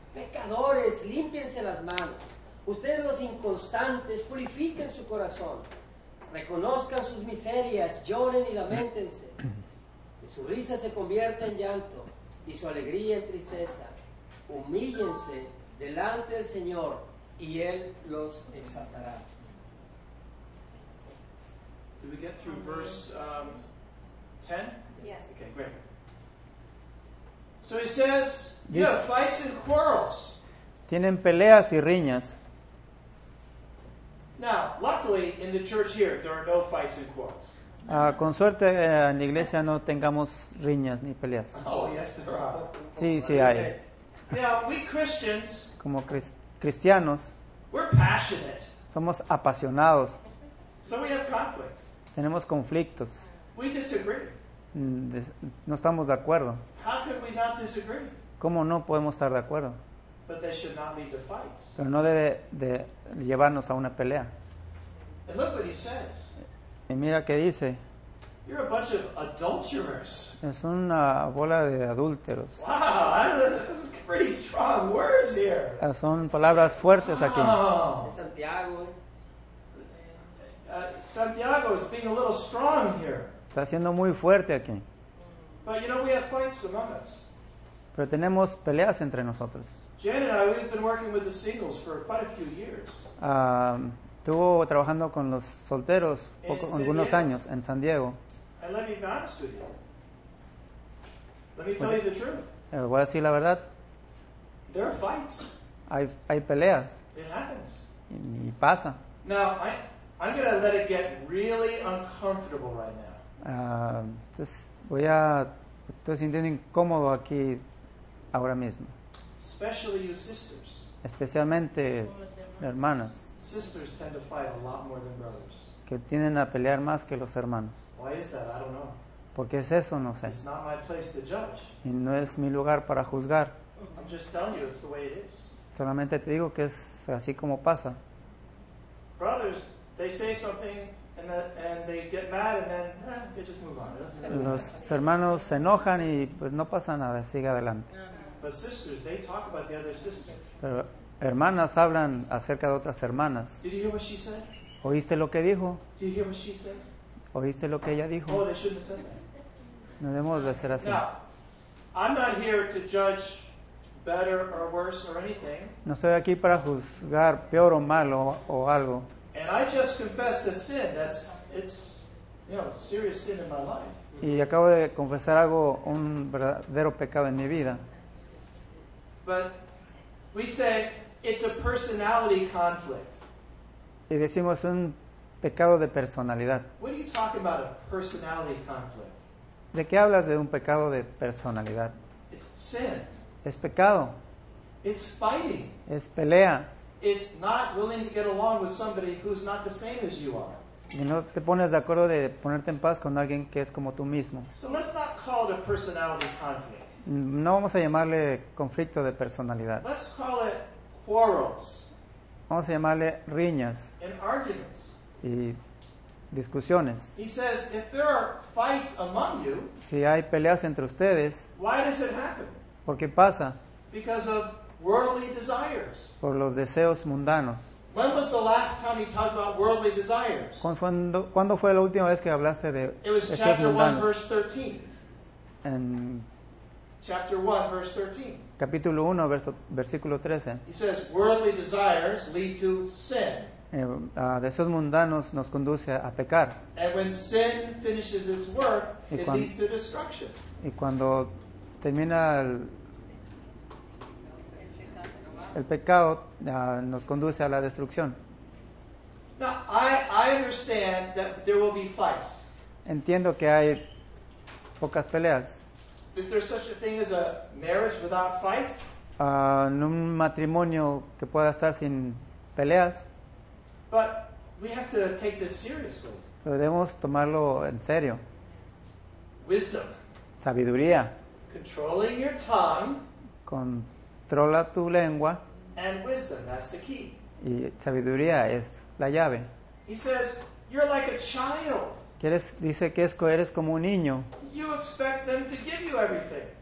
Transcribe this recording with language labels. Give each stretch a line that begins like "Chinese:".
Spanish: Pecadores, límpiense las manos. Ustedes los inconstantes, purifiquen su corazón. Reconozcan sus miserias, lloren y lamentense. Que su risa se convierta en llanto y su alegría en tristeza. Humíllense delante del Señor y Él los exaltará.
English: Did we get through verse 10? Yes. Okay, great. So he says, you have fights and quarrels.
Spanish: Tienen peleas y riñas.
English: Now, luckily, in the church here, there are no fights and quarrels.
Spanish: Con suerte, en la iglesia no tengamos riñas ni peleas.
English: Oh, yes, there are.
Spanish: Sí, sí hay.
English: Now, we Christians,
Spanish: como cristianos,
English: we're passionate.
Spanish: Somos apasionados.
English: So we have conflict.
Spanish: Tenemos conflictos.
English: We disagree.
Spanish: No estamos de acuerdo.
English: How could we not disagree?
Spanish: ¿Cómo no podemos estar de acuerdo?
English: But that should not lead to fights.
Spanish: Pero no debe de llevarnos a una pelea.
English: And look what he says.
Spanish: Y mira qué dice.
English: You're a bunch of adulterers.
Spanish: Es una bola de adúlteros.
English: Wow, this is pretty strong words here.
Spanish: Son palabras fuertes aquí. Santiago.
English: Santiago is being a little strong here.
Spanish: Está siendo muy fuerte aquí.
English: But you know, we have fights among us.
Spanish: Pero tenemos peleas entre nosotros.
English: Jen and I, we've been working with the singles for quite a few years.
Spanish: Estuvo trabajando con los solteros algunos años en San Diego.
English: And let me be honest with you. Let me tell you the truth.
Spanish: Voy a decir la verdad.
English: There are fights.
Spanish: Hay peleas.
English: It happens.
Spanish: Y pasa.
English: Now, I'm going to let it get really uncomfortable right now.
Spanish: Estoy sintiendo incómodo aquí ahora mismo.
English: Especially you sisters.
Spanish: Especialmente hermanas.
English: Sisters tend to fight a lot more than brothers.
Spanish: Que tienden a pelear más que los hermanos.
English: Why is that? I don't know.
Spanish: ¿Por qué es eso? No sé.
English: It's not my place to judge.
Spanish: Y no es mi lugar para juzgar.
English: I'm just telling you, it's the way it is.
Spanish: Solamente te digo que es así como pasa.
English: Brothers, they say something and they get mad and then they just move on.
Spanish: Los hermanos se enojan y pues no pasa nada, sigue adelante.
English: But sisters, they talk about the other sister.
Spanish: Pero hermanas hablan acerca de otras hermanas.
English: Did you hear what she said?
Spanish: ¿Oíste lo que dijo?
English: Did you hear what she said?
Spanish: ¿Oíste lo que ella dijo?
English: Oh, they shouldn't have said that.
Spanish: No debemos de hacer así.
English: Now, I'm not here to judge better or worse or anything.
Spanish: No estoy aquí para juzgar peor o malo o algo.
English: And I just confessed a sin that's it's you know serious sin in my life.
Spanish: Y acabo de confesar algo, un verdadero pecado en mi vida.
English: But we say it's a personality conflict.
Spanish: Y decimos un pecado de personalidad.
English: What are you talking about, a personality conflict?
Spanish: ¿De qué hablas de un pecado de personalidad?
English: It's sin.
Spanish: Es pecado.
English: It's fighting.
Spanish: Es pelea.
English: It's not willing to get along with somebody who's not the same as you are.
Spanish: Y no te pones de acuerdo de ponerte en paz con alguien que es como tú mismo.
English: So let's not call it a personality conflict.
Spanish: No vamos a llamarle conflicto de personalidad.
English: Let's call it quarrels.
Spanish: Vamos a llamarle riñas.
English: And arguments.
Spanish: Y discusiones.
English: He says, if there are fights among you,
Spanish: si hay peleas entre ustedes,
English: why does it happen?
Spanish: ¿Por qué pasa?
English: Because of worldly desires.
Spanish: Por los deseos mundanos.
English: When was the last time he talked about worldly desires?
Spanish: ¿Cuándo fue la última vez que hablaste de deseos mundanos?
English: It was chapter 1, verse 13. And chapter 1, verse 13.
Spanish: Capítulo 1, versículo 13.
English: He says, worldly desires lead to sin.
Spanish: Deseos mundanos nos conduce a pecar.
English: And when sin finishes its work, it leads to destruction.
Spanish: Y cuando termina el pecado, nos conduce a la destrucción.
English: Now, I understand that there will be fights.
Spanish: Entiendo que hay pocas peleas.
English: Is there such a thing as a marriage without fights?
Spanish: En un matrimonio que pueda estar sin peleas.
English: But we have to take this seriously.
Spanish: Pero debemos tomarlo en serio.
English: Wisdom.
Spanish: Sabiduría.
English: Controlling your tongue.
Spanish: Controla tu lengua.
English: And wisdom, that's the key.
Spanish: Y sabiduría es la llave.
English: He says, you're like a child.
Spanish: Dice que eres como un niño.
English: You expect them to give you everything.